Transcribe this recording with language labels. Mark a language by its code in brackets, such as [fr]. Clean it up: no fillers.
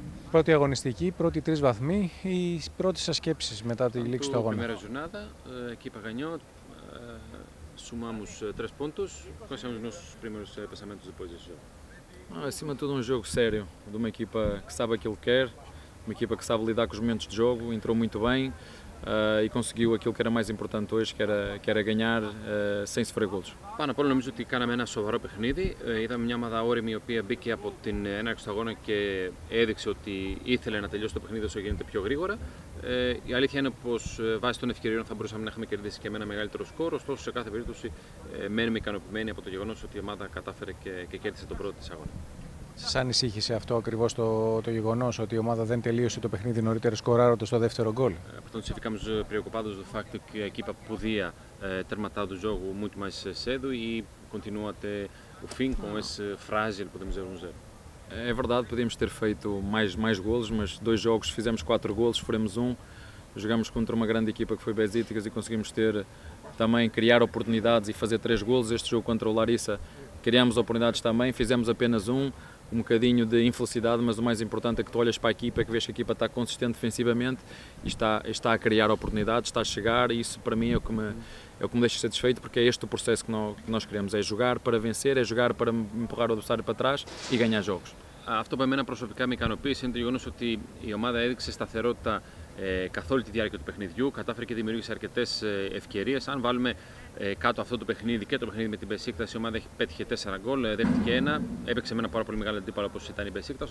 [el] Πρώτη αγωνιστική, πρώτη τρεις βαθμοί, οι πρώτες σας σκέψεις μετά τη λήξη του αγώνα. Πρώτη ζουνάδα, [pt] equipa ganhou, sumamos 3 pontos, quais são os nossos primeiros pensamentos depois desse jogo? Acima de tudo, um jogo sério, de uma equipa que sabe aquilo que quer, uma equipa que sabe lidar com os momentos de jogo, entrou muito bem e conseguiu aquilo que era mais importante hoje, que era ganhar sem sofrer golos. [el] Πάνω απ' όλα, νομίζω ότι κάναμε ένα σοβαρό παιχνίδι. Είδαμε μια ομάδα όρημη η οποία μπήκε από την έναρξη του αγώνα και έδειξε ότι ήθελε να τελειώσει το παιχνίδι όσο γίνεται πιο γρήγορα. Η αλήθεια είναι πως βάσει των ευκαιριών θα μπορούσαμε να είχαμε κερδίσει και με ένα μεγαλύτερο σκορ. Ωστόσο, σε κάθε περίπτωση, μένουμε ικανοποιημένοι από το γεγονός ότι η ομάδα κατάφερε και κέρδισε τον πρώτο της αγώνα. Σας ανησύχησε αυτό ακριβώς το γεγονός ότι η ομάδα δεν τελείωσε το παιχνίδι νωρίτερα σκοράροντας το δεύτερο γκολ? Αυτό είναι [pt] ficamos preocupados do facto que a equipa podia terminar o jogo muito mais cedo e continua até o fim com esse frágil, podemos dizer, 1-0. É verdade, podíamos ter feito mais golos, mas dois jogos fizemos 4 golos, sofremos um. Jogamos contra uma grande equipa que foi Besiktas e conseguimos ter também criar oportunidades e fazer 3 golos. Este jogo contra o Larissa criamos oportunidades também, fizemos apenas um. Um bocadinho de infelicidade, mas o mais importante é que tu olhas para a equipa, que vês que a equipa está consistente defensivamente e está a criar oportunidades, está a chegar, e isso para mim é o que me deixa satisfeito, porque é este o processo que nós queremos, é jogar para vencer, é jogar para empurrar o adversário para trás e ganhar jogos. [el] Αυτό που εμένα προσωπικά με ικανοποίησε είναι το γεγονός ότι η ομάδα έδειξε σταθερότητα καθ' όλη τη διάρκεια του παιχνιδιού, κατάφερε και δημιούργησε αρκετές ευκαιρίες. Αν βάλουμε κάτω αυτό το παιχνίδι και το παιχνίδι με την Besiktas, η ομάδα πέτυχε 4 γκολ, δέχτηκε ένα, έπαιξε με ένα πάρα πολύ μεγάλο αντίπαλο όπως ήταν η Besiktas.